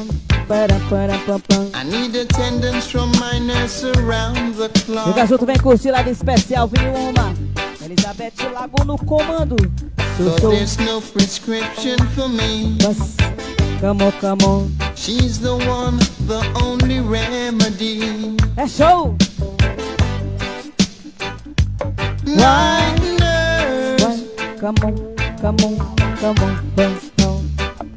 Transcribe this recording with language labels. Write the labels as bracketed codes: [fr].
[en] I need attendance from my nurse around the clock. [pt] O garoto vem curtir lá no especial, viu, uma Elizabeth Lago no comando. [en] So there's no prescription for me. [pt] Mas, [en] come on, come on. She's the one, the only remedy. [pt] É show! [en] Night nurse. Come on, come on, come on, come on.